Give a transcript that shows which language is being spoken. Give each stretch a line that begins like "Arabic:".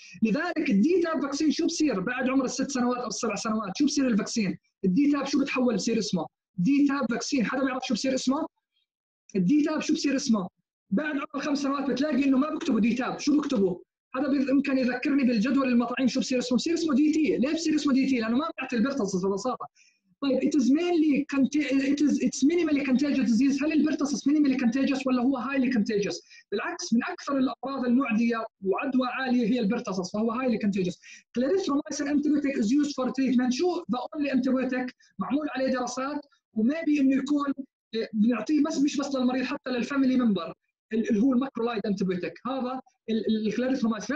Arabic: لذلك الديتاب فاكسين شو بصير بعد عمر 6 سنوات أو 7 سنوات؟ شو بصير الفاكسين الديتاب؟ شو بتحول بصير اسمه الديتاب فاكسين؟ حدا بيعرف شو بصير اسمه الديتاب؟ شو بصير اسمه بعد عمر 5 سنوات؟ بتلاقي انه ما بكتبوا ديتاب. شو بكتبوا؟ هذا بإمكان يذكرني بالجدول المطاعيم شو بصير اسمه. بصير اسمه دي تي. ليه بصير اسمه دي تي؟ لأنه ما بيعطي البرتسس ببساطة. طيب
English: it is mainly it's minimally contagious disease.
Arabic: هل البرتسس
English: minimally contagious
Arabic: ولا هو
English: highly contagious؟
Arabic: بالعكس من أكثر الأمراض المعدية وعدوى عالية هي البرتسس فهو highly contagious.
English: clarithromycin antibiotic is used for treatment.
Arabic: شو
English: the only antibiotic
Arabic: معمول عليه دراسات وماybe إنه يكون بنعطيه بس مش بس للمريض حتى للفاميلي ممبر اللي هو الماكرولايد انتيبيوتيك هذا الكلاريثروماسين.